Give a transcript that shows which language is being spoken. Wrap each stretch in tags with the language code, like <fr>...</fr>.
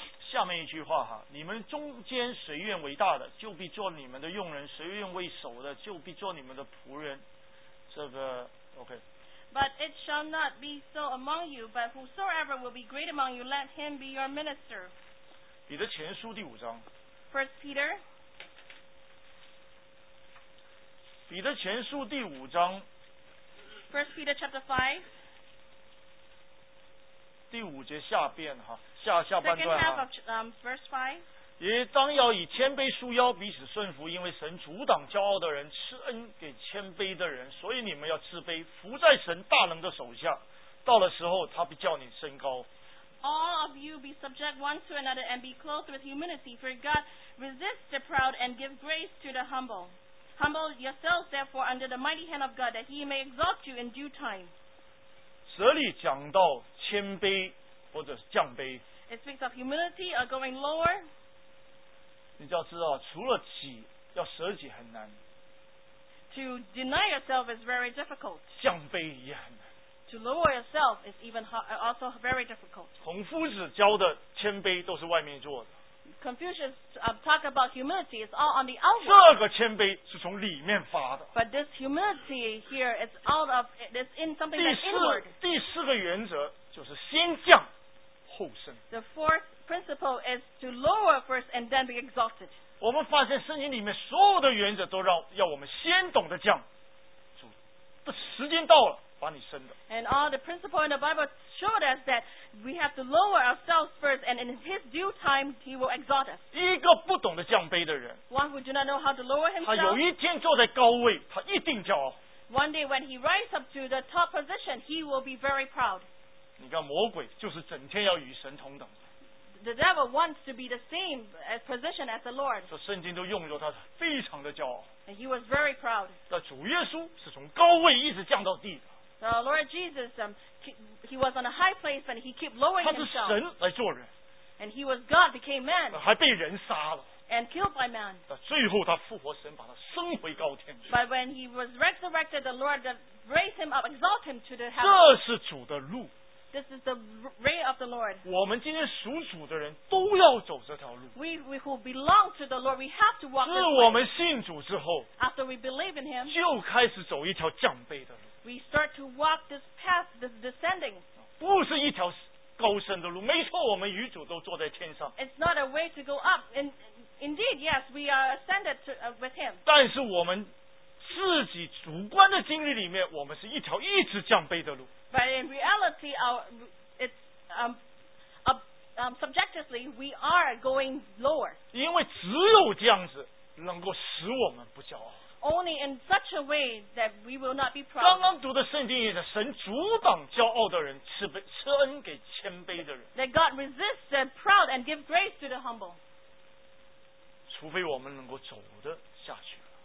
<zh>下面一句话哈，你们中间谁愿为大的就必做你们的用人，谁愿为首的就必做你们的仆人，这个 OK。</zh> <en>But it shall not be so among you, but whosoever will be great among you, let him be your minister.</en> <zh>彼得前书第五章</zh> <en>First Peter</en> <zh>彼得前书第五章</zh> <en>First Peter chapter 5.</en> <zh>第五节下边哈，下半段哈。</zh> <en>Second half of verse 5.</en> <zh>也当要以谦卑束腰，彼此顺服，因为神阻挡骄傲的人，赐恩给谦卑的人。所以你们要自卑，伏在神大能的手下，到了时候他必叫你升高。</zh> <en>All of you be subject one to another and be clothed with humility, for God resists the proud and gives grace to the humble. Humble yourselves, therefore, under the mighty hand of God, that He may exalt you in due time.</en> <zh>这里讲到谦卑或者降卑。</zh> <en>It speaks of humility or going lower.</en> <zh>你就要知道，除了己，要舍己很难。</zh> <en>To deny yourself is very difficult.</en> <zh>降卑也很难。</zh> <en>To lower yourself is even also very difficult.</en> <zh>孔夫子教的谦卑都是外面做的。</zh> <en>Confucius talk about humility. It's all on the outside.</en> <zh>这个谦卑是从里面发的。</zh> <en>But this humility here, it's out of, it's in something that's inward.</en> <zh>第四个原则就是先降后升。</zh> <en>The fourth principle is to lower first and then be exalted.</en> <zh>我们发现圣经里面所有的原则都要我们先懂得降，主，这时间到了。</zh> <en>And all the principles in the Bible showed us that we have to lower ourselves first, and in His due time, He will exalt us.</en> <zh>一个不懂得降卑的人</zh> <en>，one who do not know how to lower himself,</en> <zh>他有一天坐在高位，他一定骄傲。</zh> <en>One day when he rises up to the top position, he will be very proud.</en> <zh>你看魔鬼就是整天要与神同等。</zh> <en>The devil wants to be the same position as the Lord.</en> <zh>这圣经都用作他非常的骄傲。</zh> <en>And he was very proud.</en> <zh>但主耶稣是从高位一直降到地的。</zh> <en>The Lord Jesus, he was on a high place, and he kept lowering himself.</en> <zh>他是神来做人。</zh> <en>And he was God, became man.</en> <zh>还被人杀了。</zh> <en>And killed by man.</en> <zh>但最后他复活，神把他升回高天。</zh> <en>But when he was resurrected, the Lord raised him up, exalted him to the heaven.</en> <zh>这是主的路。</zh> <en>This is the way of the Lord.</en> <zh>我们今天属主的人都要走这条路。</zh> <en>We who belong to the Lord, we have to walk this way.</en> <zh>是我们信主之后。</zh> <en>After we believe in him.</en> <zh>就开始走一条降卑的路。</zh> <en>We start to walk this path, this descending.</en> <zh>不是一条高升的路，没错，我们与主都坐在天上。</zh> <en>It's not a way to go up in, Indeed, yes, we are ascended to, with him.</en> <zh>但是我们自己主观的经历里面，我们是一条一直降卑的路。</zh> <en>But in reality, our it's subjectively we are going lower.</en> <zh>因为只有这样子能够使我们不骄傲。</zh> <en>Only in such a way that we will not be proud.</en> <zh>刚刚读的圣经也是，神阻挡骄傲的人，赐恩给谦卑的人。</zh> <en>That God resists the proud and gives grace to the humble.</en> <zh>除非我们能够走得下去。</zh>